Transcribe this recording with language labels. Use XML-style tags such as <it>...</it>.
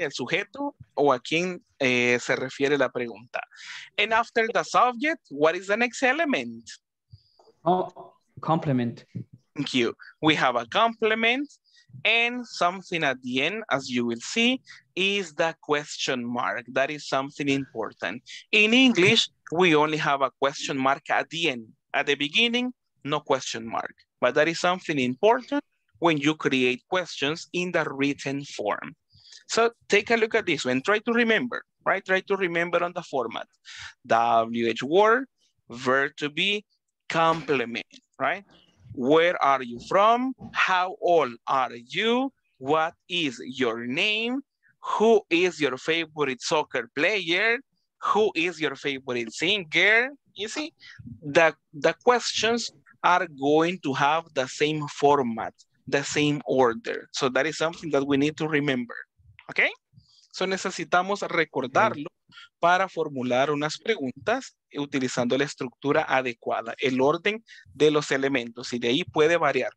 <es>El sujeto o a quien se refiere la pregunta.</es> <en>And after the subject, what is the next element? Oh, complement. Thank you. We have a complement, and something at the end, as you will see, is the question mark. That is something important. In English, we only have a question mark at the end. At the beginning, no question mark. But that is something important when you create questions in the written form. So take a look at this one. Try to remember, right? Try to remember on the format. WH word, verb to be, complement, right? Where are you from? How old are you? What is your name? Who is your favorite soccer player? Who is your favorite singer? You see, the questions are going to have the same format, the same order. So that is something that we need to remember, okay?</en> <es>So necesitamos recordarlo para formular unas preguntas utilizando la estructura adecuada, el orden de los elementos, y de ahí puede variar.</es>